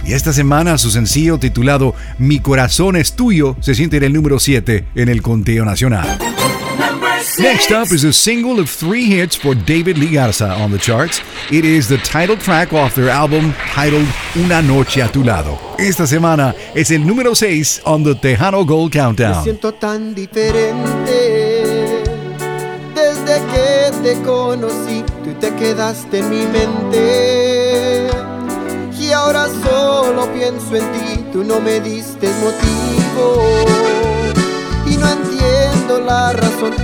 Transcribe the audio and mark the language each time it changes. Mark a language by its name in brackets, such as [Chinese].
[Spanish] Y esta semana su sencillo titulado Mi Corazón es Tuyo se siente en el número 7 en el conteo nacional. [English] Next up is a single of 3 hits for David Lee Garza on the charts. It is the title track off their album titled Una Noche a Tu Lado. [Spanish] Esta semana es el número 6 [English] on the Tejano Gold Countdown. [Spanish] Me siento tan diferente desde que te conocí. Te quedaste en mi mente y ahora solo pienso en ti. Tú no me diste motivo y no entiendo la razón.